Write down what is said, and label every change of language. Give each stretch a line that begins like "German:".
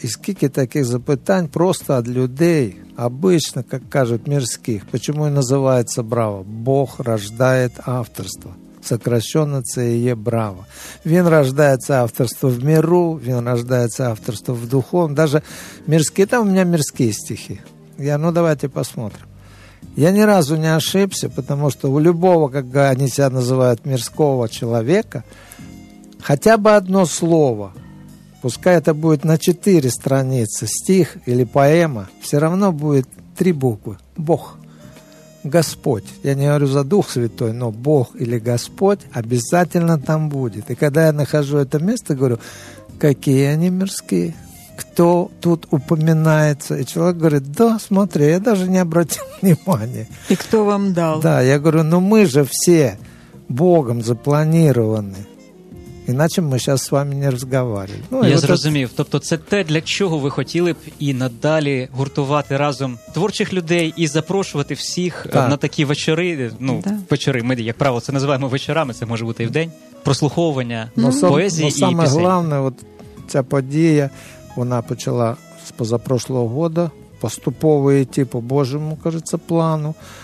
Ukrainian: І скільки таких запитань просто від людей, обично, як кажуть, мирських. Чому і називається «Браво»? Бог рождає авторство. Сокращенно це і є «Браво». Він рождає авторство в миру, він рождає авторство в духовному. Навіть мирські, там у мене мирські стихи.
Russian: Я, ну, давайте посмотрим. Я ни разу не ошибся, потому что у любого, как они себя называют, мирского человека, хотя бы одно слово, пускай это будет на 4 страницы, стих или поэма, все равно будет 3 буквы. Бог, Господь. Я не говорю за Дух Святой, но Бог или Господь обязательно там будет. И когда я нахожу это место, говорю, какие они мирские. Кто тут упоминается? И человек говорит, да, смотри, я даже не обратил внимания. И кто вам дал? Да, я говорю, ну мы же все Богом запланированы. Иначе мы сейчас с вами не разговаривали. Ну,
Ukrainian: я зрозумів. Вот тобто це те, для чого ви хотіли б і надалі гуртувати разом творчих людей і запрошувати всіх на такі вечори. Ну, да. Вечори, ми, як правило, це називаємо вечорами, це може бути і в день. Прослуховування поезії і пісень. Ну, саме головне, от ця подія... Вона почала з позапрошлого року, поступово йти по Божому, кажеться, плану.